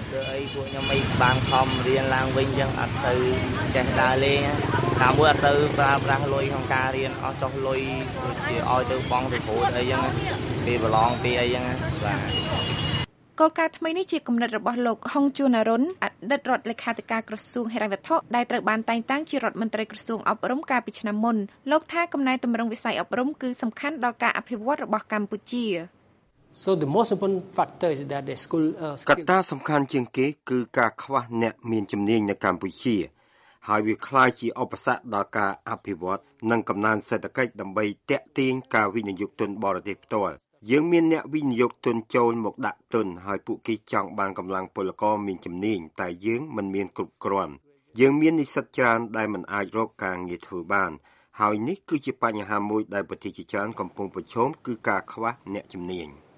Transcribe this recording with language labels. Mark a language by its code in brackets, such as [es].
[km] ឬអីពួកខ្ញុំអីបានខំរៀនឡើងវិញចឹងអត់ទៅចេះដើរលេងតាមមួយអត់ទៅប្រើប្រាស់លុយក្នុងការរៀនអស់ចោះលុយជាឲ្យទៅបង់ទៅព្រោះអីចឹងពេលប្រឡងពេលអីចឹងបាទ គោលការណ៍ថ្មីនេះជាគំនិតរបស់លោកហុងជួនអរុនអតីតរដ្ឋលេខាធិការក្រសួងហិរញ្ញវត្ថុដែលត្រូវបានតែងតាំងជារដ្ឋមន្ត្រីក្រសួងអប់រំកាលពីឆ្នាំមុនលោកថាកំណែទម្រង់វិស័យអប់រំគឺសំខាន់ដល់ការអភិវឌ្ឍរបស់កម្ពុជា [en] So the most important factor is that the school skills [km] កត្តាសំខាន់ជាងគេគឺការខ្វះអ្នកមានជំនាញនៅកម្ពុជាហើយវាខ្លាយជាឧបសគ្គដល់ការអភិវឌ្ឍនិងកំណើនសេដ្ឋកិច្ចដើម្បីទាក់ទាញការវិនិយោគទុនបរទេសផ្ទាល់យើងមានអ្នកវិនិយោគទុនចូលមកដាក់ទុនហើយពួកគេចង់បានកម្លាំងពលករមានជំនាញតែយើងមិនមានគ្រប់គ្រាន់យើងមាននិស្សិតច្រើនដែលមិនអាចរកការងារធ្វើបានហើយនេះគឺជាបញ្ហាមួយដែលប្រទេសជាច្រើនកំពុងប្រឈមគឺការខ្វះអ្នកជំនាញ